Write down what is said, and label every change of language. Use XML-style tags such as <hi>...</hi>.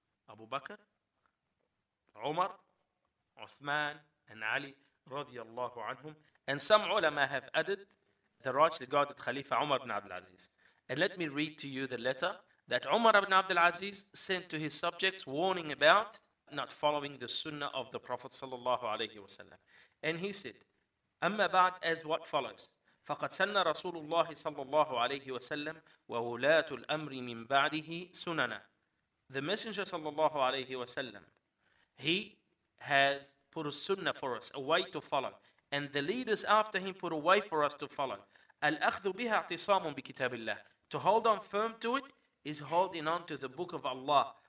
<en>Abu Bakr, Umar, Uthman, and Ali radiallahu anhum. And some ulama have added the righteously guided Khalifa Umar ibn Abdul Aziz. And let me read to you the letter that Umar ibn Abdul Aziz sent to his subjects warning about not following the sunnah of the Prophet sallallahu alayhi wa sallam. And he said,</en> <ar>أما بعد,</ar> <en>as what follows,</en> <ar>فَقَدْ سَنَّ رَسُولُ اللَّهِ صَلَّى اللَّهُ عَلَيْهِ وَسَلَّمْ وَوُلَاتُ الْأَمْرِ مِنْ بَعْدِهِ سُنَنَا.</ar> <en>The Messenger sallallahu alayhi wa sallam, he has put a sunnah for us, a way to follow. And the leaders after him put a way for us to follow.</en> <ar>الْأَخْذُ بِهَا اعْتِصَامٌ بِكِتَابِ اللَّهِ.</ar> <en>To hold on firm to it is holding on to the book of Allah.</en>